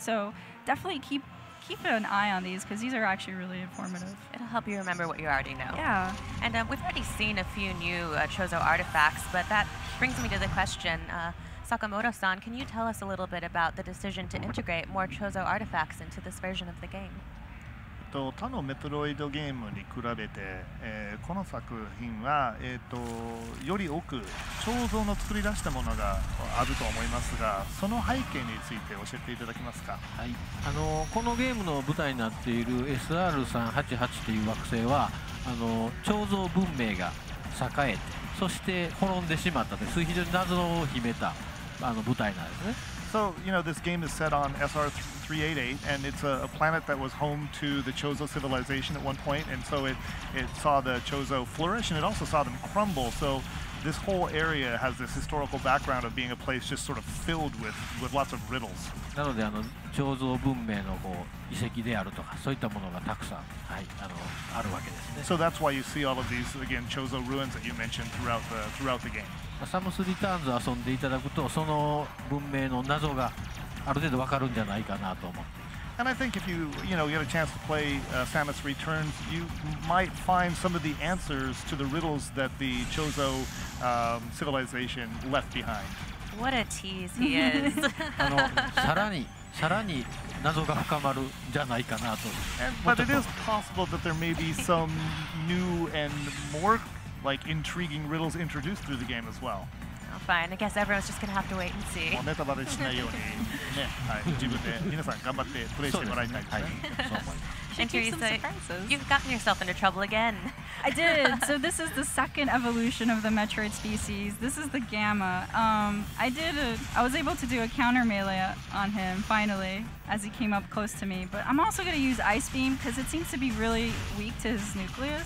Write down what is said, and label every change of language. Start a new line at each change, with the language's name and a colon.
English: So definitely keep an eye on these because these are actually really informative. It'll help you remember what you already know. Yeah. And we've already seen a few new Chozo artifacts, but that brings me to the question. Sakamoto-san, can you tell us a little bit about the decision to integrate more Chozo artifacts into this version of the game?
Japanese: 他のメトロイドゲームに比べて、この作品は、より多く彫像の作り出したものがあると思いますが、その背景について教えていただけますか。はい。このゲームの舞台になっている SR388 という惑星は、彫像文明が栄えて、そして滅んでしまったという非常に謎を秘めた舞台なんですね。
English: So, you know, this game is set on SR388, and it's a planet that was home to the Chozo civilization at one point, and so it saw the Chozo flourish, and it also saw them crumble. So this whole area has this historical background of being a place just sort of filled with lots of riddles.
Japanese: なので、Chozo 文明のこう遺跡であるとか、そういったものがたくさん、はい、あるわけですね。
English: So that's why you see all of these, again, Chozo ruins that you mentioned throughout the game.
Japanese: サムスリターンズを遊んでいただくとその文明の謎がある程度わかるんじゃないかなと思って。
English: And I think if you know, get a chance to play Samus Returns, you might find some of the answers to the riddles that the Chozo civilization left behind. What a tease he is.
Japanese: さらに謎が深まるんじゃないかなと。
English: But it is possible that there may be some new and more like intriguing riddles introduced through the game as well. Oh, fine. I guess everyone's just going to have to wait and see.
Japanese: ネタバレしないようにね、はい、自分で皆さん頑張ってプレイしてもらいたいですね。そう思います。
English: Thank you, Teresa. You've gotten yourself into trouble again. I did. So this is the second evolution of the Metroid species. This is the Gamma. I was able to do a counter melee on him, finally, as he came up close to me. But I'm also going to use Ice Beam because it seems to be really weak to his nucleus.